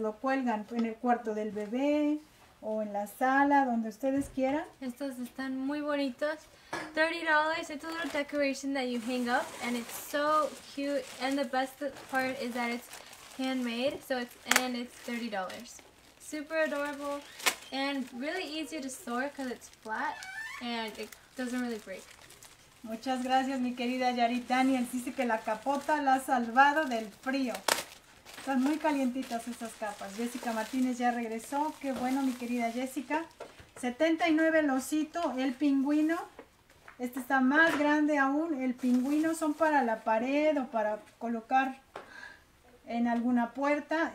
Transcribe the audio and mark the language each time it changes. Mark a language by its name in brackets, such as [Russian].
[Spanish] Lo cuelgan en el cuarto del bebé o en la sala, donde ustedes quieran. Estos están muy bonitos. [English] $30, it's a little decoration that you hang up. And it's so cute. And the best part is that it's handmade. So it's, and it's $30. Super adorable. And really easy to store because it's flat and it doesn't really break. [Spanish] Muchas gracias, mi querida Yaritani. Dice que la capota la ha salvado del frío. Están muy calientitas esas capas. Jessica Martínez ya regresó. Qué bueno, mi querida Jessica. 79 el osito, el pingüino. Este está más grande aún. El pingüino son para la pared o para colocar en alguna puerta.